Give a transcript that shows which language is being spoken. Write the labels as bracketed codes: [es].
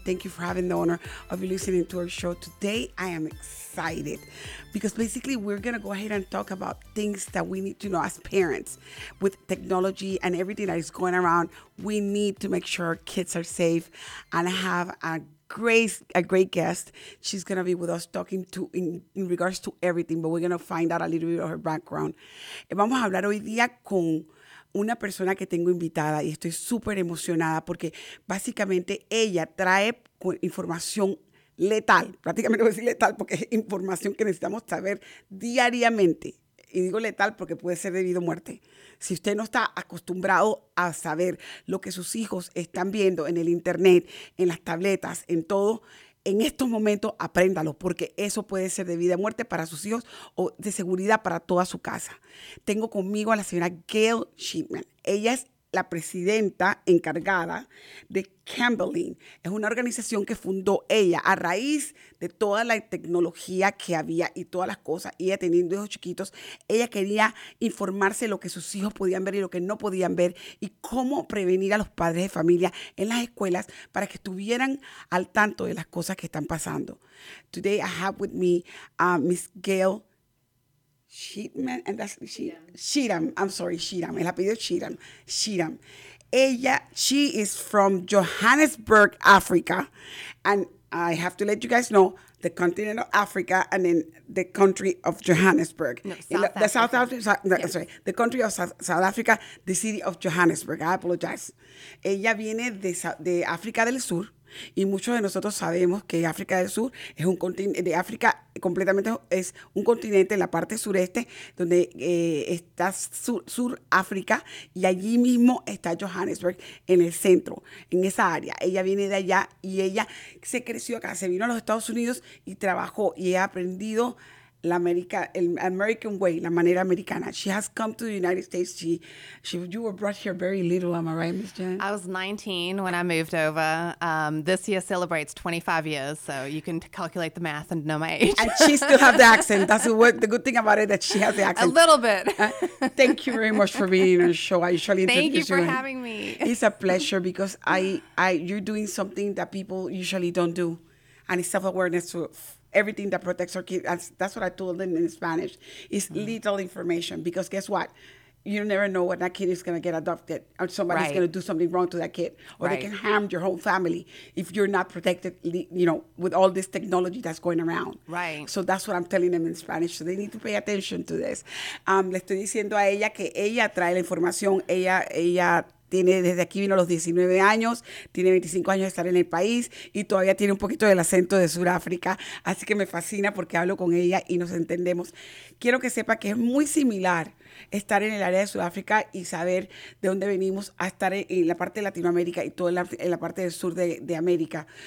[en] Thank you for having the honor of listening to our show. Today, I am excited because basically we're going to go ahead and talk about things that we need to know as parents with technology and everything that is going around. We need to make sure our kids are safe and have a great guest. She's going to be with us talking to in regards to everything, but we're going to find out a little bit of her background. [es] Vamos a hablar hoy día con una persona que tengo invitada y estoy súper emocionada porque básicamente ella trae información letal, prácticamente voy a decir letal porque es información que necesitamos saber diariamente. Y digo letal porque puede ser debido a muerte. Si usted no está acostumbrado a saber lo que sus hijos están viendo en el internet, en las tabletas, en todo, en estos momentos apréndalo porque eso puede ser de vida o muerte para sus hijos o de seguridad para toda su casa. Tengo conmigo a la señora Gayle Cheatham. Ella es la presidenta encargada de Cambling. Es una organización que fundó ella a raíz de toda la tecnología que había y todas las cosas. Ella teniendo hijos chiquitos, ella quería informarse lo que sus hijos podían ver y lo que no podían ver y cómo prevenir a los padres de familia en las escuelas para que estuvieran al tanto de las cosas que están pasando. [en] Today I have with me Miss Gayle Cheatham, and that's Cheatham. I'm sorry, Cheatham. [es] El apellido Cheatham. Cheatham. Ella, [en] she is from Johannesburg, Africa. And I have to let you guys know the continent of Africa and then the country of Johannesburg. The country of South Africa, the city of Johannesburg. I apologize. [es] Ella viene de África del Sur. Y muchos de nosotros sabemos que África del Sur es un continente, de África completamente es un continente en la parte sureste donde está Sur África y allí mismo está Johannesburg en el centro, en esa área. Ella viene de allá y ella se creció acá, se vino a los Estados Unidos y trabajó y ha aprendido el [en] American way, [es] la manera americana. [en] She has come to the United States. You were brought here very little, am I right, Ms. Jen? I was 19 when I moved over. This year celebrates 25 years, so you can calculate the math and know my age. And she still has the accent. That's the good thing about it, that she has the accent. A little bit. Thank you very much for being on the show. I usually introduce you. Thank you for having me. It's a pleasure because you're doing something that people usually don't do, and it's self-awareness to everything that protects our kids. That's what I told them in Spanish. It's little information because guess what? You never know when that kid is going to get adopted or somebody's going to do something wrong to that kid. Or they can harm your whole family if you're not protected, you know, with all this technology that's going around. Right. So that's what I'm telling them in Spanish. So they need to pay attention to this. [es] Le estoy diciendo a ella que ella trae la información. Ella tiene, desde aquí vino a los 19 años, tiene 25 años de estar en el país y todavía tiene un poquito del acento de Sudáfrica. Así que me fascina porque hablo con ella y nos entendemos. Quiero que sepa que es muy similar estar en el área de Sudáfrica y saber de dónde venimos a estar en la parte de Latinoamérica y todo en la parte del sur de América.